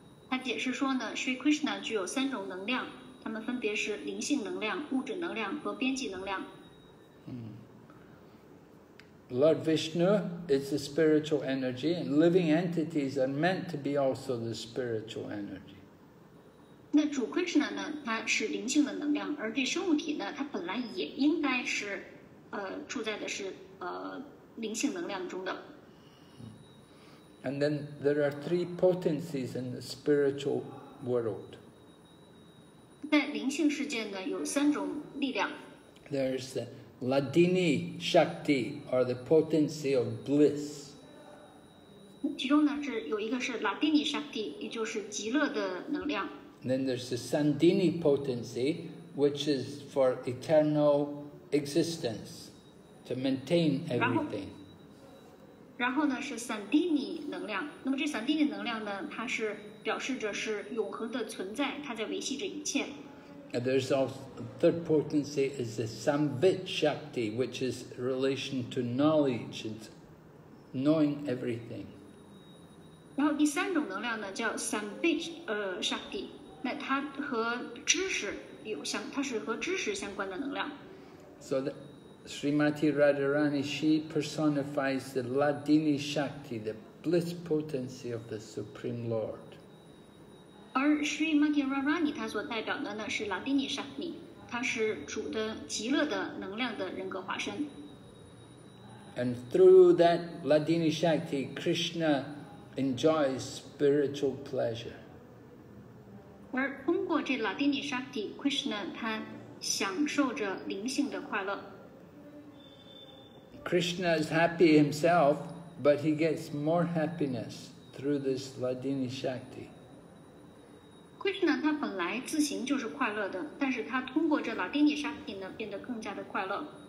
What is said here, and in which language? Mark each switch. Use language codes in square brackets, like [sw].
[zh] 他解释说呢 ，Sri Krishna 具有三种能量，它们分别是灵性能量、物质能量和边际能量。 [en] Lord Vishnu is the spiritual energy, and living entities are meant to be also the spiritual energy. [zh] 那主 Krishna 呢？它是灵性的能量，而这生物体呢？它本来也应该是，处在的是灵性能量中的。 [en] And then there are three potencies in the spiritual world. [zh] 在灵性世界呢，有三种力量。 [en] There's the Ladini Shakti, or the potency of bliss. [zh] 其中呢是有一个是 Ladini Shakti， 也就是极乐的能量。 [en] Then there's the Sandini potency, which is for eternal existence, to maintain everything. [zh] 然后呢是 Sandini 能量。那么这 Sandini 能量呢，它是表示着是永恒的存在，它在维系着一切。 [en] And there's also the third potency is the Samvit Shakti, which is relation to knowledge, it's knowing everything. [zh] 然后第三种能量呢叫 Samvit Shakti。那它和知识有相，它是和知识相关的能量。 [en] So the Srimati Radharani, she personifies the Ladini Shakti, the bliss potency of the Supreme Lord. [zh] 而 Srimati Radharani 她所代表的呢是 Ladini Shakti， 她是主的极乐的能量的人格化身。 [en] And through that Ladini Shakti, Krishna enjoys spiritual pleasure. [zh] 而通过这拉丁尼沙帝 Krishna 他享受着灵性的快乐。 [en] Krishna is happy himself, but he gets more happiness through this Ladini Shakti. [zh] Krishna 他本来自行就是快乐的，但是他通过这拉丁尼沙帝呢变得更加的快乐。